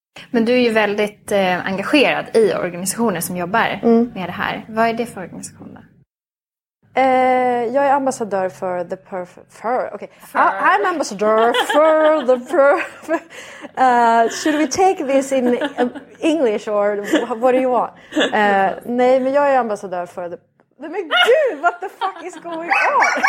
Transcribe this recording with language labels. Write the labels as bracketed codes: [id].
[sv] Men du är ju väldigt engagerad i organisationer som jobbar med det här. Vad är det för organisation då? Jag är ambassadör för The Perfect... [en] Okay. I'm ambassador for The Perfect... should we take this in English or what do you want? [sv] Nej, men jag är ambassadör för The... Men gud, [en] what the fuck is going on?